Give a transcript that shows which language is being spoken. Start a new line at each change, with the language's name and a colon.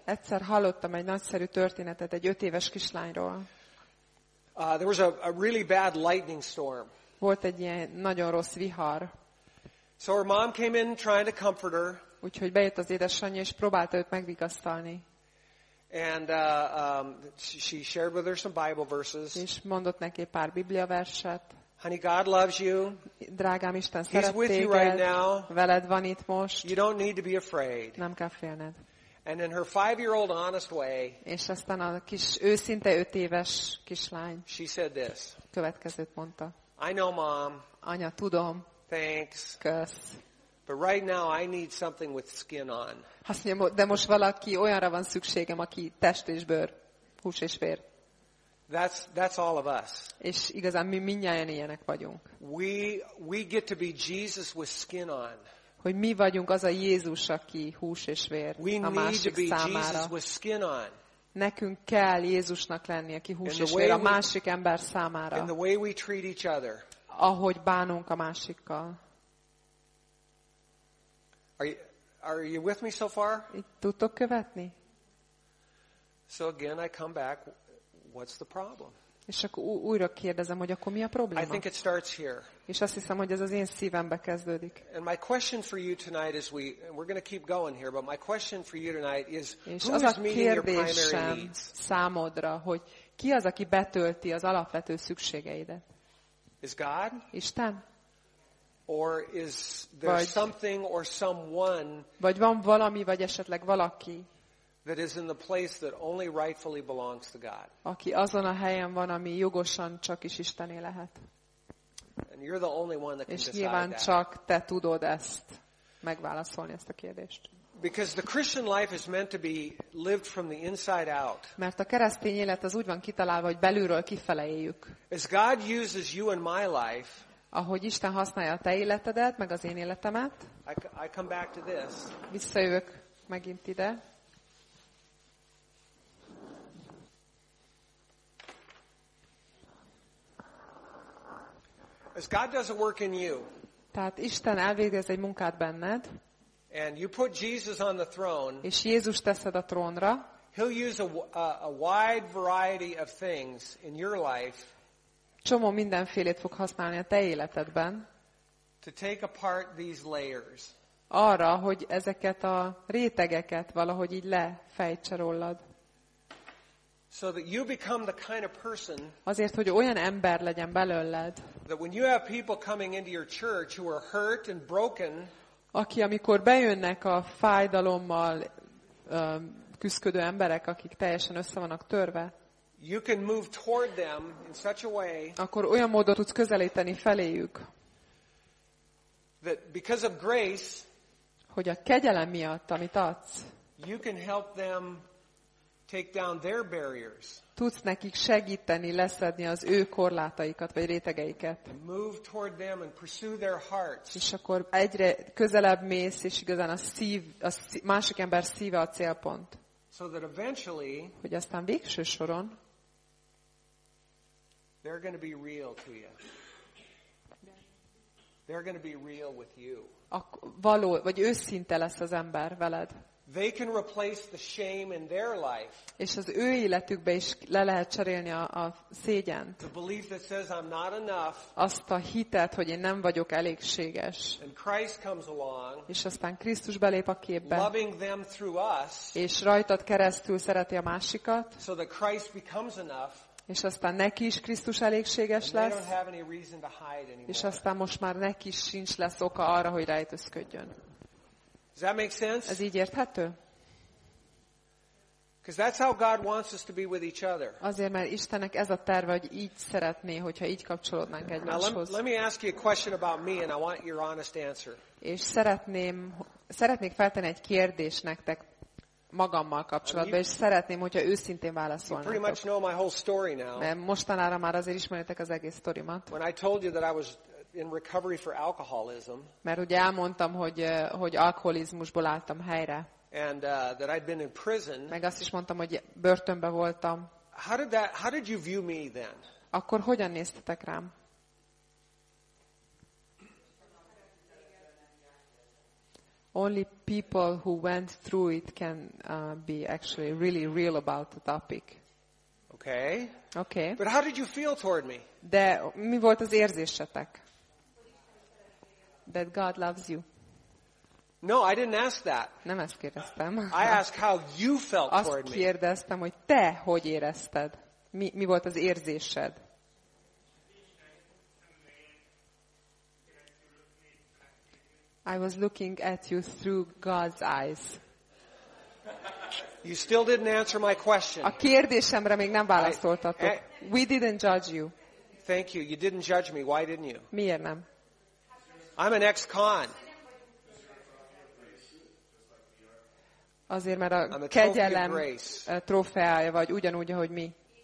Hungarian: Egyszer hallottam egy nagyszerű történetet egy 5 éves kislányról.
English: There was a really bad lightning storm.
Hungarian: Volt egy ilyen nagyon rossz vihar.
English: So her mom came in trying to comfort her.
Hungarian: Úgyhogy bejött az édesanyja és próbálta őt megvigasztalni.
English: And she shared with her some Bible verses.
Hungarian: És mondott neki pár Biblia verset.
English: Honey, God loves you.
Hungarian: Drágám, Isten szeret téged.
English: He's with you right now.
Hungarian: Veled van itt most.
English: You don't need to be afraid.
Hungarian: Nem kell félned.
English: And in her 5-year-old honest way,
Hungarian: és aztán a kis őszinte 5 éves kislány,
English: she said this.
Hungarian: Következőt mondta.
English: I know, Mom.
Hungarian: Anya, tudom.
English: Thanks.
Hungarian: Kösz.
English: But right now I need something with skin on.
Hungarian: Azt mondja, de most valaki olyanra van szükségem, aki test és bőr, hús és vér.
English: That's all of us.
Hungarian: És igazán mi mindnyájan ilyenek vagyunk.
English: We get to be Jesus with skin on.
Hungarian: Hogy mi vagyunk az a Jézus, aki hús és vér
English: we
Hungarian: a másik számára.
English: Jesus with skin on.
Hungarian: Nekünk kell Jézusnak lenni, aki hús és vér a másik ember számára.
English: In the way we treat each other.
Hungarian: Ahogy bánunk a másikkal.
English: Are you with me so far?
Hungarian: Tudtok követni?
English: So again I come back, what's the problem?
Hungarian: És akkor újra kérdezem, hogy akkor mi a probléma?
English: I think it starts here.
Hungarian: És azt hiszem, hogy ez az én szívembe kezdődik.
English: And my question for you tonight is we're going to keep going here, but my question for you tonight is who is meeting your primary needs?
Hungarian: Számodra, hogy ki az, aki betölti az alapvető szükségeidet?
English: Is God?
Hungarian: Isten?
English: Or is there something or someone?
Hungarian: Vagy van valami, vagy esetleg valaki?
English: That is in the place that only rightfully belongs to God.
Hungarian: Aki azon a helyen van, ami jogosan csak is Istené lehet.
English: And you're the only one that can decide that.
Hungarian: És nyilván csak te tudod ezt megválaszolni ezt a kérdést.
English: Because the Christian life is meant to be lived from the inside out.
Hungarian: Mert a keresztény élet az úgy van kitalálva, hogy belülről kifele éljük.
English: As God uses you in my life.
Hungarian: Ahogy Isten használja a te életedet, meg az én életemet.
English: I come back to this.
Hungarian: Visszajövök megint ide.
English: As God does a work in you.
Hungarian: Tehát Isten elvégez egy munkát benned.
English: And you put Jesus on the throne.
Hungarian: És Jézus teszed a trónra.
English: He'll use a wide variety of things in your life.
Hungarian: Csomó mindenfélét fog használni a te életedben.
English: To take apart these layers.
Hungarian: Arra, hogy ezeket a rétegeket valahogy így lefejtse rólad.
English: So that you become the kind of person.
Hungarian: Azért, hogy olyan ember legyen belőled.
English: That when you have people coming into your church who are hurt and broken.
Hungarian: Aki amikor bejönnek a fájdalommal küszködő emberek, akik teljesen össze vannak törve.
English: You can move toward them in such a way.
Hungarian: Akkor olyan módon tudsz közelíteni feléjük.
English: That because of grace.
Hungarian: Hogy a kegyelem miatt, amit adsz.
English: You can help them. Take down their barriers.
Hungarian: Tudsz nekik segíteni leszedni az ő korlátaikat vagy rétegeiket.
English: Move toward them and pursue their hearts.
Hungarian: És akkor egyre közelebb mész, és igazán a másik ember szíve a célpont.
English: So that eventually,
Hungarian: hogy aztán végső soron
English: they're going to be real to you. They're going to be real with you.
Hungarian: Való, vagy őszinte lesz az ember veled.
English: They can replace the shame in their life.
Hungarian: És az ő életükbe is le lehet cserélni a szégyent.
English: The belief that says I'm not enough.
Hungarian: Azt a hitet, hogy én nem vagyok elégséges.
English: And Christ comes along.
Hungarian: És aztán Krisztus belép a képbe.
English: Loving them through us.
Hungarian: És rajtad keresztül szereti a másikat.
English: So that Christ becomes enough.
Hungarian: És aztán neki is Krisztus elégséges lesz.
English: And they don't have any reason to hide anymore.
Hungarian: És aztán most már neki is sincs lesz oka arra, hogy rejtőzködjön.
English: Does that make sense?
Hungarian: Ez így érthető?
English: Because that's how God wants us to be with each other.
Hungarian: Azért, mert Istennek ez a terve, hogy így szeretné, hogyha így kapcsolódnánk egymáshoz.
English: Let me ask you a question about me, and I want your honest answer.
Hungarian: És szeretnék feltenni egy kérdést nektek magammal kapcsolatban, és szeretném, hogyha őszintén válaszolnátok.
English: You pretty much know my whole story now.
Hungarian: Mert mostanára már azért ismeritek az egész sztorimat.
English: When I told you that I was in recovery for alcoholism.
Hungarian: Mert ugye elmondtam, hogy alkoholizmusból álltam helyre.
English: And that I'd been in prison.
Hungarian: Meg azt is mondtam, hogy börtönbe voltam.
English: How did you view me then?
Hungarian: Akkor hogyan néztetek rám?
English: Only people who went through it can be actually really real about the topic. Okay. But how did you feel toward me?
Hungarian: De mi volt az érzésetek?
English: That God loves you. No, I didn't ask that.
Hungarian: Nem ezt kérdeztem.
English: I asked how you felt toward me.
Hungarian: Azt kérdeztem, hogy te hogy érezted? Mi volt az érzésed?
English: I was looking at you through God's eyes. You still didn't answer my question.
Hungarian: A kérdésemre még nem válaszoltatok.
English: We didn't judge you. Thank you. You didn't judge me. Why didn't you?
Hungarian: Miért nem?
English: I'm an ex-con.
Hungarian: Azért, mert a kegyelem trófeája vagy, ugyanúgy, ahogy mi.